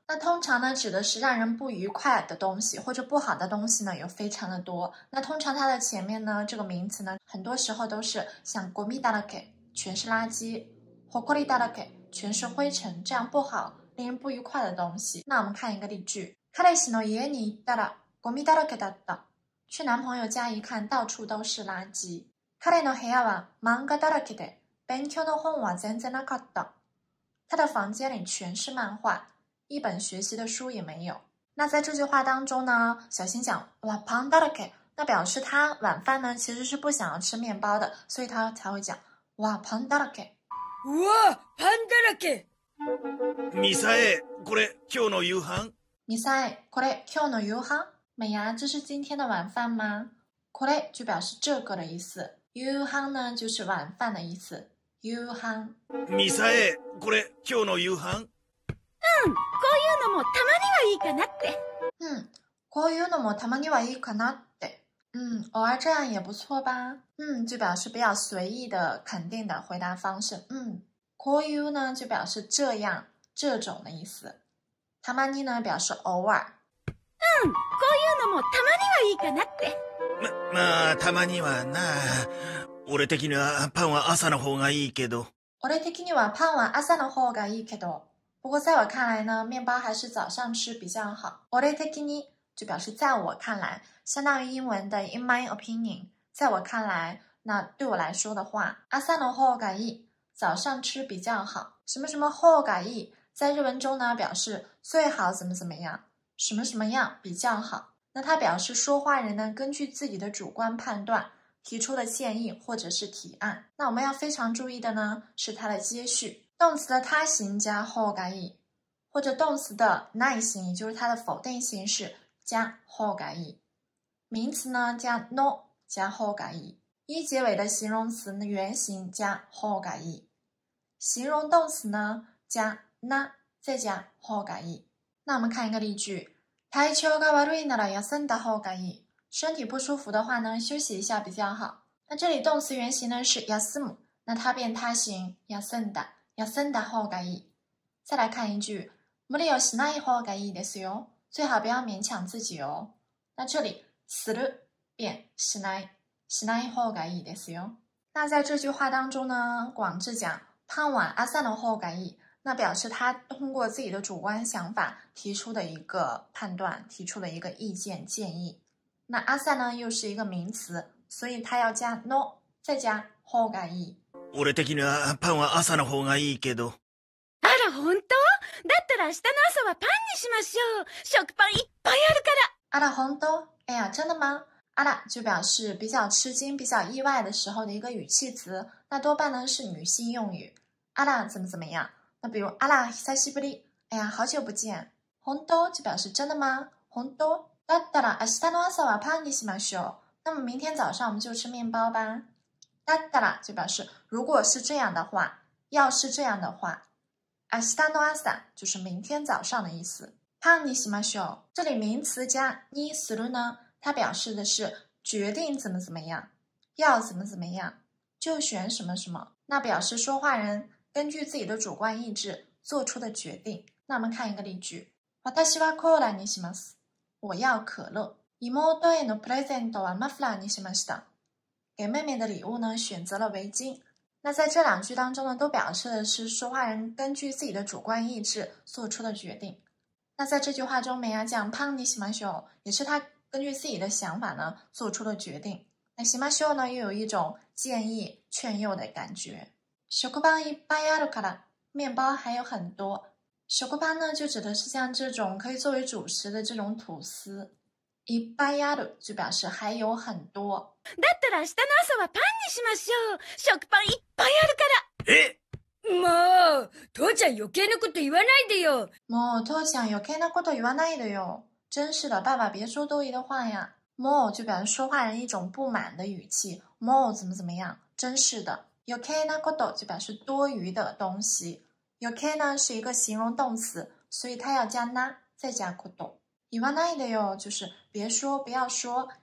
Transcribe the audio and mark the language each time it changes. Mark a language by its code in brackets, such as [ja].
[zh] 那通常呢，指的是让人不愉快的东西或者不好的东西呢，有非常的多。那通常它的前面呢，这个名词呢，很多时候都是像 [ja] ゴミだらけ， [zh] 全是垃圾； [ja] ホコリだらけ， [zh] 全是灰尘，这样不好、令人不愉快的东西。那我们看一个例句： [ja] 彼氏の家に行ったらゴミだらけだった。 [zh] 去男朋友家一看，到处都是垃圾。 [ja] 彼の部屋は漫画だらけで、勉強の本は全然なかった。 [zh] 他的房间里全是漫画，一本学习的书也没有。那在这句话当中呢，小新讲哇 [ja] パンだらけ， [zh] 那表示他晚饭呢其实是不想要吃面包的，所以他才会讲哇パンだらけ。 [ja] 哇パンだらけ。ミサエ、これ今日の夕飯？ミサエ、これ今日の夕飯？ [zh] 美呀，这是今天的晚饭吗？これ就表示这个的意思。夕飯呢，就是晚饭的意思。 [ja] 夕飯。ミサエ、これ今日の夕飯？こういうのもたまにはいいかなって。こういうのもたまにはいいかなって。 [zh] 偶尔这样也不错吧。就表示比较随意的、肯定的回答方式。こういう呢，就表示这样、这种的意思。たまに呢，表示偶尔。 [ja] こういうのもたまにはいいかなって。まあたまにはな。俺的にはパンは朝の方がいいけど。俺的にはパンは朝の方がいいけど。 [zh] 不过在我看来呢，面包还是早上吃比较好。俺的に，就表示在我看来，相当于英文的 [en] in my opinion， [zh] 在我看来，那对我来说的话， [ja] 朝の方がいい， [zh] 早上吃比较好。什么什么方がいい，在日文中呢表示最好怎么怎么样，什么什么样比较好。那它表示说话人呢根据自己的主观判断提出的建议或者是提案。那我们要非常注意的呢是它的接续，动词的他形加方がいい，或者动词的内形，也就是它的否定形式加方がいい，名词呢加 no 加方がいい，一结尾的形容词原形加方がいい，形容动词呢加な再加方がいい。那我们看一个例句， [ja] 体調が悪いなら休んだ方がいい， [zh] 身体不舒服的话呢休息一下比较好。那这里动词原形呢是休む，那它变他形休んだ，休んだ方がいい。再来看一句， [ja] 無理をしない方がいいですよ， [zh] 最好不要勉强自己哦。那这里する变しない， [ja] しない方がいいですよ。 [zh] 那在这句话当中呢，广志讲胖碗 [ja] 朝の方がいい， [zh] 那表示他通过自己的主观想法提出的一个判断，提出了一个意见建议。那阿萨呢又是一个名词，所以他要加 no 再加 方がいい。 [ja] 俺的にはパンは朝の方がいいけど。あら本当？だったら明日の朝はパンにしましょう。食パンいっぱいあるから。あら本当？ [zh] 哎呀，真的吗？あら就表示比较吃惊、比较意外的时候的一个语气词，那多半呢是女性用语。あら怎么怎么样？那比如 [ja] あら久しぶり， [zh] 哎呀好久不见。本当？就表示真的吗？本当？ [ja] だったら明日の朝はパンにしましょう， [zh] 那么明天早上我们就吃面包吧。だったら就表示如果是这样的话，要是这样的话。明日の朝就是明天早上的意思。 [ja] パンにしましょう， [zh] 这里名词加にする呢，它表示的是决定怎么怎么样，要怎么怎么样，就选什么什么，那表示说话人根据自己的主观意志做出的决定。那我们看一个例句， [ja] 私はコーラにします， [zh] 我要可乐。 [ja] 妹へのプレゼントはマフラーにしました。 [zh] 给妹妹的礼物呢，选择了围巾。那在这两句当中呢，都表示的是说话人根据自己的主观意志做出的决定。那在这句话中，美雅讲パンにしましょう，也是他根据自己的想法呢做出的决定。那しましょう呢，又有一种建议劝诱的感觉。 [ja] 食パンいっぱいあるから， [zh] 面包还有很多。食パン呢就指的是像这种可以作为主食的这种吐司。いっぱいある就表示还有很多。 [ja] だったら明日の朝はパンにしましょう。食パンいっぱいあるから。え？もう父ちゃん余計なこと言わないでよ。もう父ちゃん余計なこと言わないでよ。 [zh] 真是的，爸爸别说多余的话呀。もう就表示说话人一种不满的语气。もう怎么怎么样？真是的。余計なこと就表示多余的东西。余計呢是一个形容动词，所以它要加な再加こと。言わないでよ就是别说不要说。